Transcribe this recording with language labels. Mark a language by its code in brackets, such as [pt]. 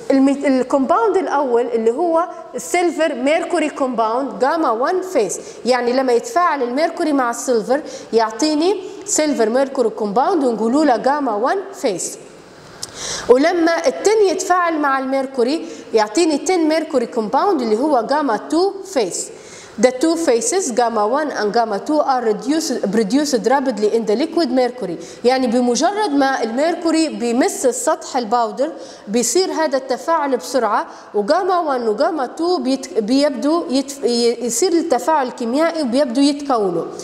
[ar] الكومباوند الأول اللي هو [en] silver mercury compound gamma one face، [ar] يعني لما يتفاعل الميركوري مع السيلفر يعطيني [en] silver mercury compound [ar] ونقولوا له gamma one face. ولما التن يتفاعل مع الميركوري يعطيني تن ميركوري كومباوند اللي هو جاما 2 فيس. [en] The two faces gamma 1 and gamma 2 are produced rapidly in the liquid mercury. [ar] يعني بمجرد ما الميركوري بيمس السطح الباودر بيصير هذا التفاعل بسرعة، وجاما 1 وجاما 2 بيبدو يصير التفاعل الكيميائي وبيبدو يتكونوا.